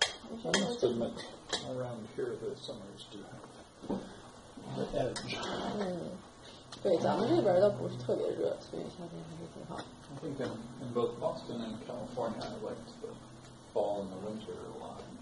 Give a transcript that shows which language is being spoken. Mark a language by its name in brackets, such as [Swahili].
[English] I must admit, around here the summers do have the edge. [Chinese] 对，咱们这边倒不是特别热，所以夏天还是挺好。 [English] I think in both Boston and California, I like the fall and the winter a lot.